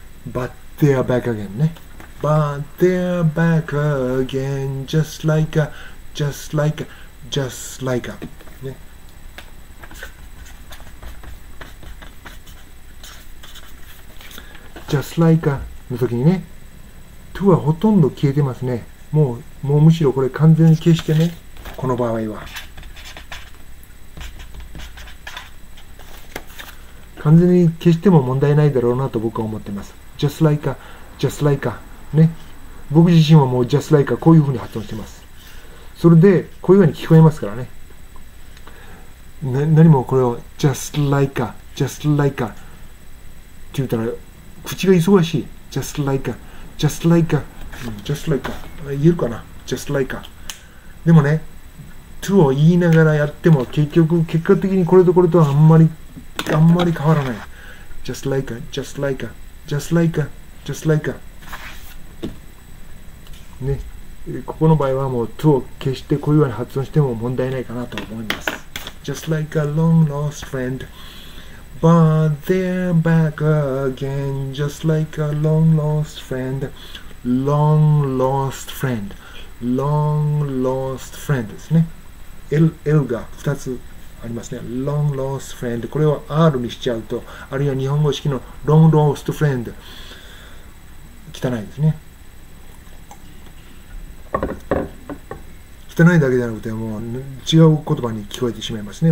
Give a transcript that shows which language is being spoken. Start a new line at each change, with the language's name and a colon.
English: But they're back again ね、 But they're back again、 Just like a、 Just like a、 Just like a、just like a の時にね、 to はほとんど消えてますね。
Japanese: もうむしろこれ完全に消してね、この場合は完全に消しても問題ないだろうなと僕は思ってます。 just like a、 just like a ね、僕自身はもう just like a こういうふうに発音してます。それでこういうふうに聞こえますからね、何もこれを just like a just like a って言ったら口が忙しい、 just like a just like a just like a 言えるかな、 just like a。でもね、to を言いながらやっても結局結果的にこれとこれとはあんまり変わらない。 just like a just like a just like a just like a ね、ここの場合はもう to を消してこういうように発音しても問題ないかなと思います。
English: just like a long lost friend but they're back again just like a long lost friend long lost friend long lost friend ですね。
Japanese: L が2つありますね。Long lost friend。これを R にしちゃうと、あるいは日本語式の Long lost friend。汚いですね。汚いだけじゃなくて、もう違う言葉に聞こえてしまいますね。